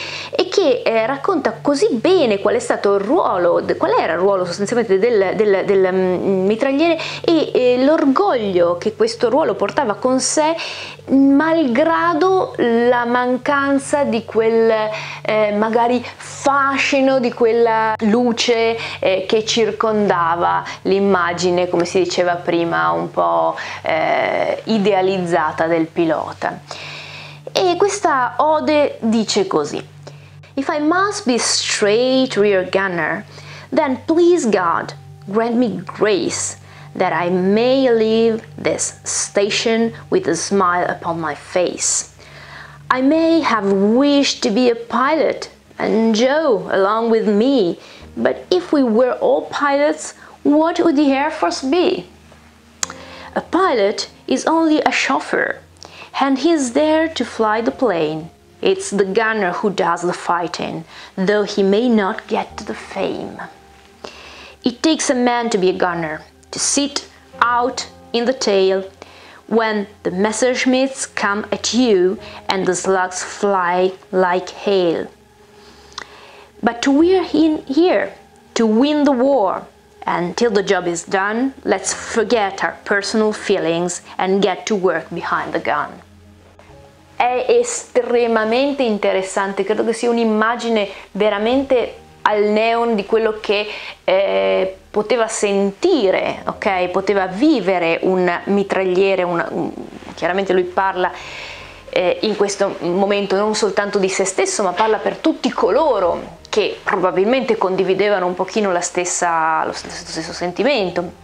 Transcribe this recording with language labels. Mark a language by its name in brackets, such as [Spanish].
[Italian] e che racconta così bene qual è stato il ruolo, qual era il ruolo sostanzialmente del mitragliere e l'orgoglio che questo ruolo portava con sé malgrado la mancanza di quel magari fascino, di quella luce che circondava l'immagine, come si diceva prima, un po' idealizzata del pilota. E questa ode dice così: [English] If I must be straight rear gunner, then please God grant me grace that I may leave this station with a smile upon my face. I may have wished to be a pilot and Joe along with me, but if we were all pilots, what would the Air Force be? A pilot is only a chauffeur. And he's there to fly the plane. It's the gunner who does the fighting, though he may not get the fame. It takes a man to be a gunner, to sit out in the tail when the Messerschmitts come at you and the slugs fly like hail. But to we're in here, to win the war, and till the job is done, let's forget our personal feelings and get to work behind the gun. [Italian] È estremamente interessante, credo che sia un'immagine veramente al neon di quello che poteva sentire, ok? Poteva vivere un mitragliere, chiaramente lui parla in questo momento non soltanto di se stesso, ma parla per tutti coloro che probabilmente condividevano un pochino lo stesso sentimento.